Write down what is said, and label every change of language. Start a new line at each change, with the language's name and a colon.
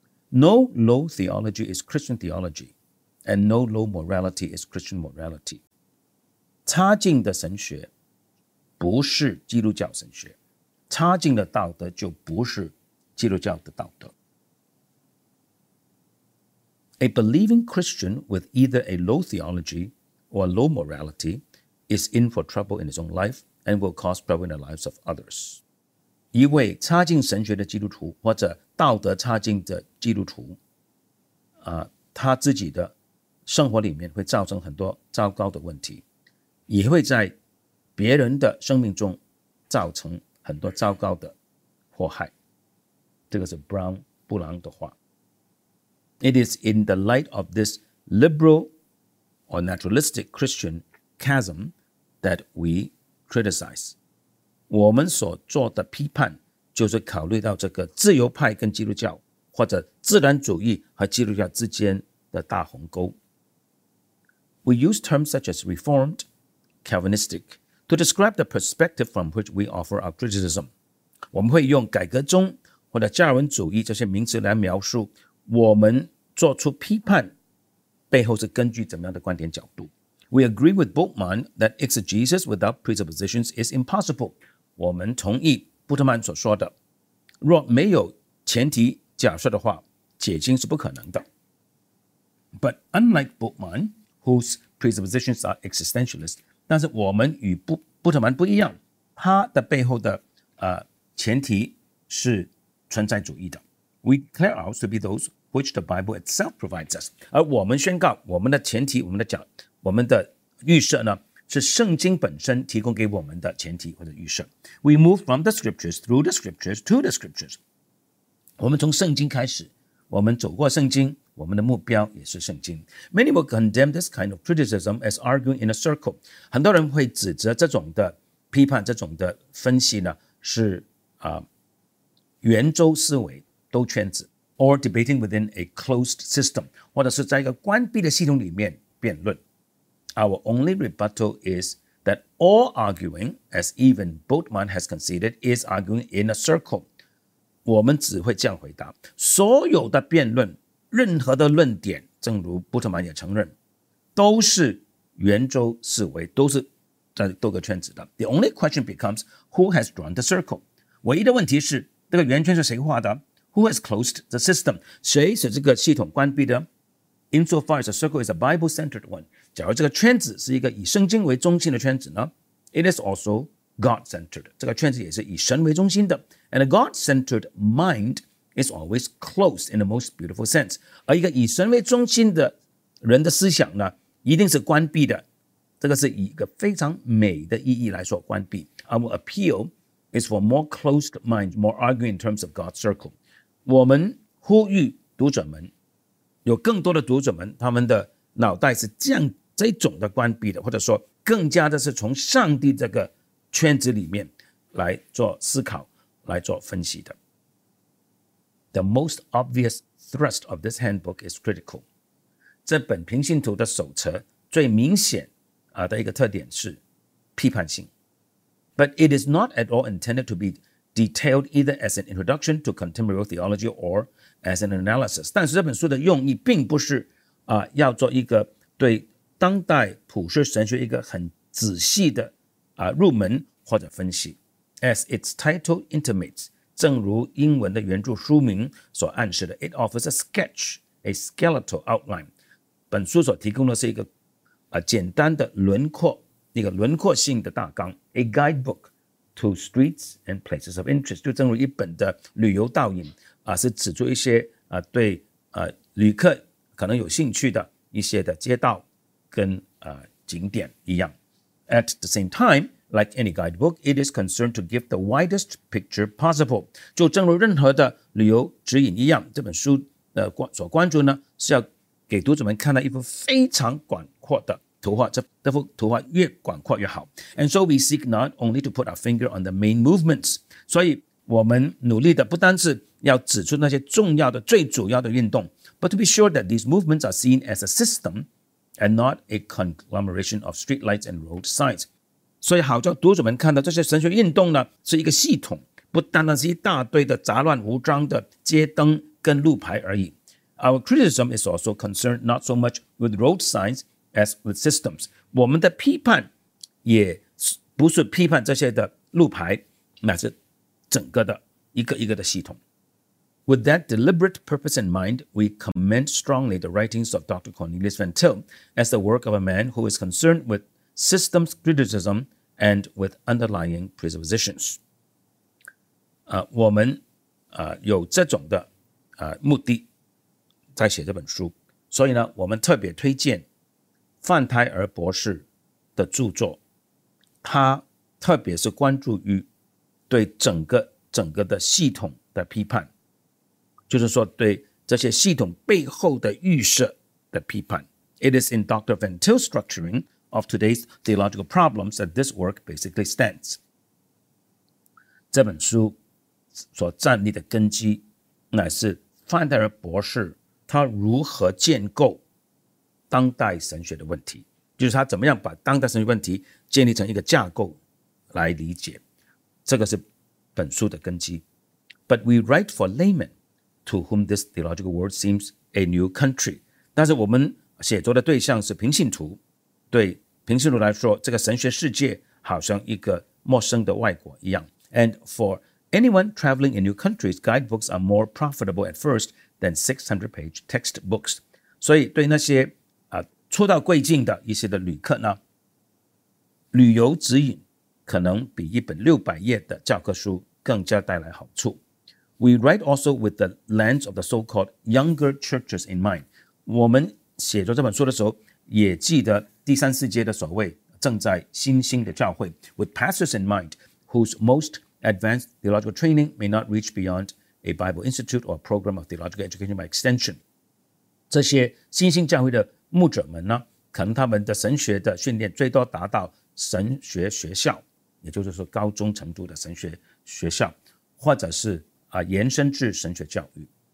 English: No low theology is Christian theology, and no low morality is Christian morality.
Chinese: 差劲的神学不是基督教神学。差劲的道德就不是基督教的道德。
English: A believing Christian with either a low theology or low morality is in for trouble in his own life and will cause trouble in the lives of others.
Chinese: 一位差劲神学的基督徒或者道德差劲的基督徒、他自己的生活里面会造成很多糟糕的问题，也会在别人的生命中造成很多糟糕的祸害。这个是 Brown 布朗的话。
English: It is in the light of this liberal or naturalistic Christian chasm that we criticize.
Chinese: 我们所做的批判就是考虑到这个自由派跟基督教或者自然主义和基督教之间的大鸿沟。
English: We use terms such as reformed, Calvinistic, to describe the perspective from which we offer our criticism.
Chinese: 我们会用改革宗或者加尔文主义这些名词来描述我们做出批判背后是根据怎么样的观点角度。
English: We agree with Bultmann that exegesis without presuppositions is impossible.
Chinese: 我们同意布特曼所说的，若没有前提假设的话，解经是不可能的。
English: But unlike Bultmann,whose presuppositions are existentialist,
Chinese: 但是我们与布特曼不一样，他的背后的、前提是存在主义的。
English: We declare ours to be those which the Bible itself provides us.
Chinese: 而我们宣告我们的前提，我们的预设呢，是圣经本身提供给我们的前提或者预设。
English: We move from the scriptures, through the scriptures, to the scriptures.
Chinese: 我们从圣经开始，我们走过圣经，我们的目标也是圣经。
English: Many will condemn this kind of criticism as arguing in a circle.
Chinese: 很多人会指责这种的批判，这种的分析呢，是、圆周思维，兜圈子。
English: Or debating within a closed system.
Chinese: 或者是在一个关闭的系统里面辩论。
English: Our only rebuttal is that all arguing, as even Bultmann has conceded, is arguing in a circle.
Chinese: 我们只会这样回答，所有的辩论任何的论点，正如布特曼也承认，都是圆周思维，都是在兜个圈子的。
English: The only question becomes, who has drawn the circle?
Chinese: 唯一的问题是，这个圆圈是谁画的？
English: Who has closed the system?
Chinese: 谁使这个系统关闭的？
English: Insofar as the circle is a Bible-centered one,
Chinese: 假如这个圈子是一个以圣经为中心的圈子呢？
English: It is also God-centered.
Chinese: 这个圈子也是以神为中心的。
English: And a God-centered mind,is always closed in the most beautiful sense.
Chinese: 而一个以神为中心的人的思想呢，一定是关闭的。这个是以一个非常美的意义来说关闭。
English: Our appeal is for more closed mind, more arguing in terms of God's circle.
Chinese: 我们呼吁读者们，有更多的读者们，他们的脑袋是这种的关闭的，或者说更加的是从上帝这个圈子里面来做思考，来做分析的。
English: The most obvious thrust of this handbook is critical.
Chinese: 这本平信徒的手册最明显的一个特点是批判性。
English: But it is not at all intended to be detailed either as an introduction to contemporary theology or as an analysis.
Chinese: 但是这本书的用意并不是、要做一个对当代普世神学一个很仔细的、入门或者分析。
English: As its title intimates,
Chinese: 正如英文的原著书名所暗示的
English: It offers a sketch, a skeletal outline.
Chinese: 本书所提供的是一个、简单的轮廓，一个轮廓性的大纲，
English: A guidebook to streets and places of interest.
Chinese: 就正如一本的旅游导引、是指出一些、对、旅客可能有兴趣的一些的街道跟、景点一样。
English: At the same timeLike any guidebook, it is concerned to give the widest picture possible.
Chinese: 就正如任何的旅游指引一样，这本书的所关注呢，是要给读者们看到一幅非常广阔的图画。这幅图画越广阔越好。
English: And so we seek not only to put our finger on the main movements.
Chinese: 所以我们努力的不单是要指出那些重要的、最主要的运动，
English: but to be sure that these movements are seen as a system and not a conglomeration of streetlights and road signs.
Chinese: 所以好叫读者们看到这些神学运动呢是一个系统，不单单是一大堆的杂乱无章的街灯跟路牌而已。
English: Our criticism is also concerned not so much with road signs as with systems.
Chinese: 我们的批判也不是批判这些的路牌，乃是整个的一个一个的系统。
English: With that deliberate purpose in mind, we commend strongly the writings of Dr. Cornelius Van Til as the work of a man who is concerned with systems criticism and with underlying presuppositions.
Chinese: 我们有这种的目的在写这本书，所以呢，我们特别推荐范泰尔博士的著作。他特别是关注于对整个的系统的批判，就是说对这些系统背后的预设的批判。
English: It is in Dr. Van Til's structuring of today's theological problems that this work basically stands.
Chinese: 这本书所站立的根基乃是范泰尔博士他如何建构当代神学的问题，就是他怎么样把当代神学问题建立成一个架构来理解，这个是本书的根基。
English: But we write for laymen to whom this theological world seems a new country.
Chinese: 但是我们写作的对象是平信徒，对平信徒来说，这个神学世界好像一个陌生的外国一样。
English: And for anyone traveling in new countries, guidebooks are more profitable at first than 600-page textbooks.
Chinese: 所以对那些初到贵境的一些的旅客呢，旅游指引可能比一本600页的教科书更加带来好处。
English: We write also with the lens of the so-called younger churches in mind.
Chinese: 我们写作这本书的时候也记得第三世界的所谓正在新兴的教会，
English: with pastors in mind whose most advanced theological training may not reach beyond a Bible institute or a program of theological education by extension.
Chinese: 这些新兴教会的牧者们呢，可能他们的神学的训练最多达到神学学校，也就是说高中程度的神学学校，或者是延伸至神学教育。